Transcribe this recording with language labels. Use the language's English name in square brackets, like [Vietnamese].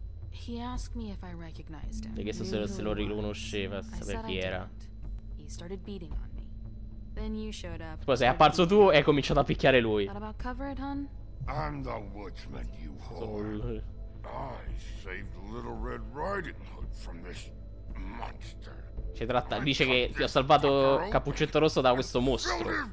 [English] He asked me if I recognized him. [Italian] Perché se lo riconosceva, sapeva chi era. [English] He started beating on me. Then you showed up. [Italian] Poi sei apparso tu e hai cominciato a picchiare lui. [English] I'm the watchman, you whore. I saved Little Red Riding Hood from this monster. [Italian] Ci tratta, dice che ti ho salvato Cappuccetto Rosso da questo mostro.